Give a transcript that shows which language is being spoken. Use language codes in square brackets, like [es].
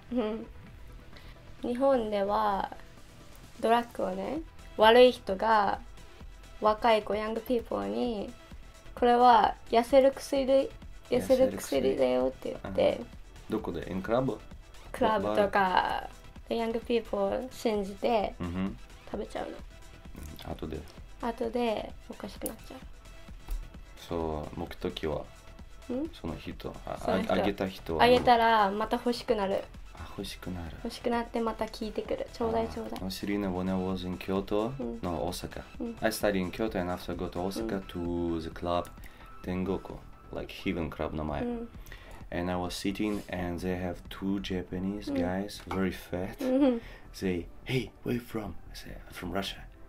[en] In Japan, there are drugs that bad people give to young people. This is a healthy drug. Where? In club? Club or young people believe it and eat it. After? After, it gets crazy. [ja] そう、目的はその人、あげた人はあげたらまた欲しくなる。あ、欲しくなる。欲しくなってまた聞いてくる。ちょうだいちょうだい。 [en] I studied when I was in Kyoto, no, Osaka. I studied in Kyoto and after I go to Osaka to the club Tengoku, like heaven club [ja] の前。 [en] And I was sitting and they have two Japanese guys, very fat. They, hey, where are you from? I say, from Russia.